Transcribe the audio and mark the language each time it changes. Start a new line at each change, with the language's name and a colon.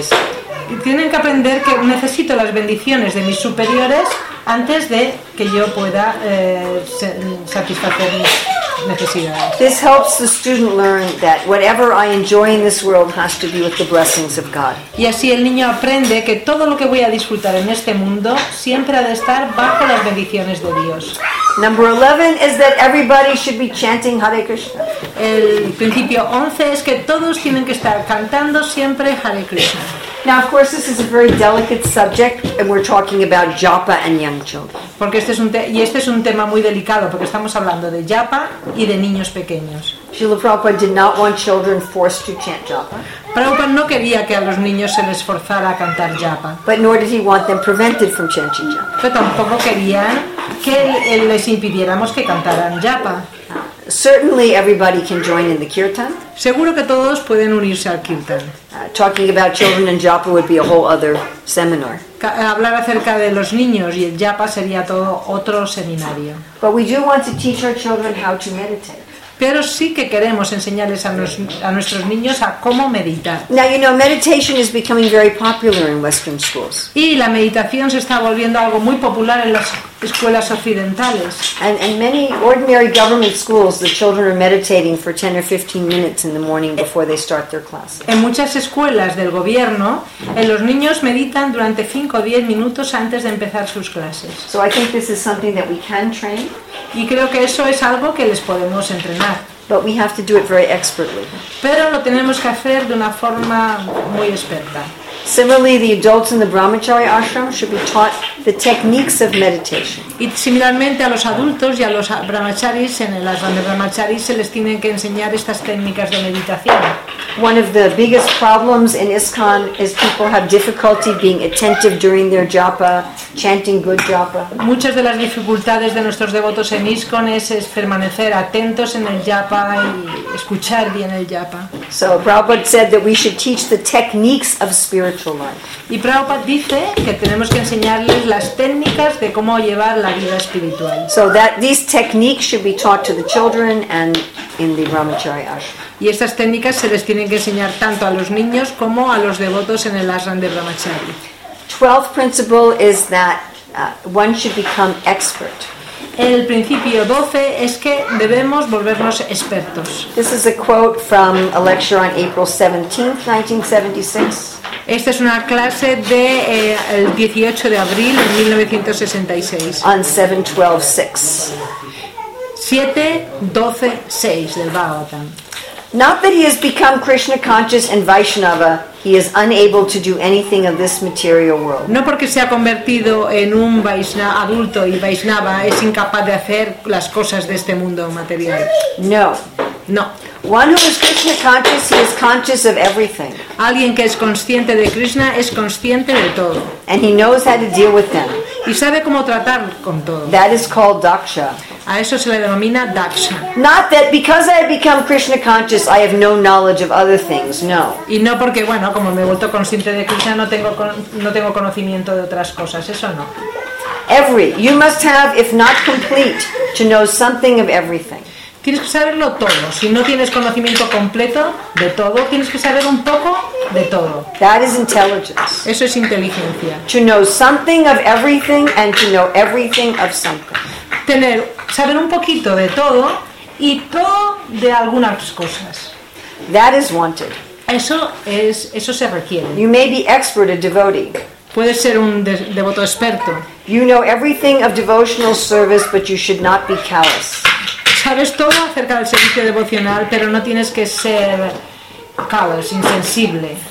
English: something.
Spanish: Tienen que aprender que necesito las bendiciones de mis superiores antes de que yo pueda satisfacer mis necesidades.
English: This helps the student learn that whatever I enjoy in this world has to be with the blessings of God.
Spanish: Y así el niño aprende que todo lo que voy a disfrutar en este mundo siempre ha de estar bajo las bendiciones de Dios.
English: Number 11 is that everybody should be chanting Hare Krishna.
Spanish: El principio 11 es que todos tienen que estar cantando siempre Hare Krishna.
English: Now, of course, this is a very delicate subject, and we're talking about japa and young children.
Spanish: Porque este es un tema muy delicado, porque estamos hablando de japa y de niños pequeños.
English: Srila Prabhupada did not want children forced to chant japa.
Spanish: Prabhupada no quería que a los niños se les forzara a cantar japa.
English: But nor did he want them prevented from chanting japa.
Spanish: Pero tampoco quería que les impidiéramos que cantaran japa.
English: Certainly, everybody can join in the kirtan.
Spanish: Seguro que todos pueden unirse al kirtan.
English: Talking about children and japa would be a whole other seminar.
Spanish: Hablar acerca de los niños y el japa sería todo otro seminario.
English: But we do want to teach our children how to meditate.
Spanish: Pero sí que queremos enseñarles a nuestros niños a cómo meditar.
English: Now, you know, meditation is becoming very popular in Western schools.
Spanish: Y la meditación se está volviendo algo muy popular en las escuelas occidentales.
English: And many ordinary government schools, the children are meditating for 10 or 15 minutes in the morning before they start their class.
Spanish: En muchas escuelas del gobierno, los niños meditan durante 5 o 10 minutos antes de empezar sus clases.
English: So I think this is something that we can train.
Spanish: Y creo que eso es algo que les podemos entrenar.
English: But we have to do it very expertly.
Spanish: Pero lo tenemos que hacer de una forma muy experta.
English: Similarly, the adults in the Brahmachari ashram should be taught the techniques of meditation.
Spanish: Y similarmente a los adultos y a los brahmacharis en el ashram de brahmachari se les tienen que enseñar estas técnicas de meditación.
English: One of the biggest problems in ISKCON is people have difficulty being attentive during their japa, chanting good japa.
Spanish: Muchas de las dificultades de nuestros devotos en ISKCON es permanecer atentos en el japa y escuchar bien el japa.
English: So Prabhupada said that we should teach the techniques of spiritual life.
Spanish: Y Prabhupada dice que tenemos que enseñarles las técnicas de cómo llevar la vida espiritual.
English: So that these techniques should be taught to the children and in the Brahmachari ashram.
Spanish: Y estas técnicas se les tienen que enseñar tanto a los niños como a los devotos en el ashram de Brahmachari.
English: 12th principle is that one should become expert.
Spanish: El principio 12 es que debemos volvernos expertos.
English: This is a quote from a lecture on April 17th, 1976.
Spanish: Esta es una clase de el 18 de abril de 1966.
English: On
Spanish: 7/12/6 del Bhagavatam.
English: Not that he has become Krishna conscious and Vaishnava, he is unable to do anything of this material world.
Spanish: No porque se ha convertido en un Vaishnava adulto y Vaishnava es incapaz de hacer las cosas de este mundo material.
English: No.
Spanish: No.
English: One who is Krishna conscious, he is conscious of everything.
Spanish: Alguien que es consciente de Krishna es consciente de todo.
English: And he knows how to deal with them.
Spanish: Y sabe cómo tratar con todo.
English: That is called daksha.
Spanish: A eso se le denomina daksha.
English: Not that because I have become Krishna conscious, I have no knowledge of other things.
Spanish: No. Y no porque bueno, como me he vuelto consciente de Krishna, no tengo conocimiento de otras cosas. Eso no.
English: Every you must have, if not complete, to know something of everything.
Spanish: Tienes que saberlo todo. Si no tienes conocimiento completo de todo, tienes que saber un poco de todo.
English: That is intelligence.
Spanish: Eso es inteligencia.
English: To know something of everything and to know everything of something.
Spanish: Tener, saber un poquito de todo y todo de algunas cosas.
English: That is wanted.
Spanish: Eso se requiere.
English: You may be expert, a devotee.
Spanish: Puedes ser un devoto experto.
English: You know everything of devotional service, but you should not be callous.
Spanish: Sabes todo acerca del servicio devocional, pero no tienes que ser callous, insensible.